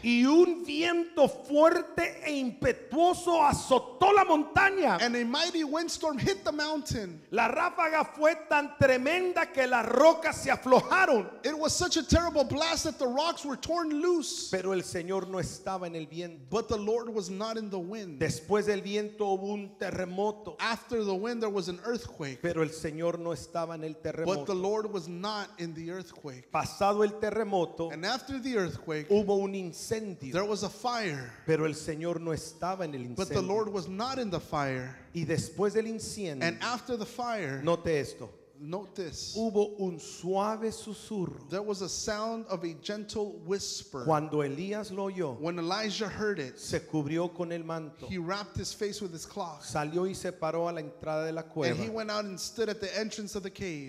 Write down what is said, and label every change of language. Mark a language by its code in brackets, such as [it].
[es] y un viento fuerte e impetuoso azotó la montaña, [en] and a mighty windstorm hit the mountain. [es] La ráfaga fue tan tremenda que las rocas se aflojaron. [en] It was such a terrible blast that the rocks were torn loose. [es] Pero el Señor no estaba en el viento. [en] But the Lord was not in the wind. [es] Después del viento hubo un terremoto. [en] After the wind there was an earthquake. [es] Pero el Señor no estaba en el terremoto. [en] But the Lord was not in the earthquake. [es] Pasado el terremoto, [en] and after the earthquake, [es] hubo un incendio. [en] There was a fire, [es] pero el Señor no estaba en el incendio. [en] But the Lord was not in the fire. [es] Y después del incendio, [en] and after the fire, [es] note esto. [en] Note this. [es] Hubo un suave susurro. [en] There was a sound of a gentle whisper. [es] Cuando Elías lo oyó, [en] when Elijah heard it, [es] se cubrió con el manto. [en] He wrapped his face with his cloth. [es] Salió y se paró a la entrada de la cueva. [en] And he went out and stood at the entrance of the cave.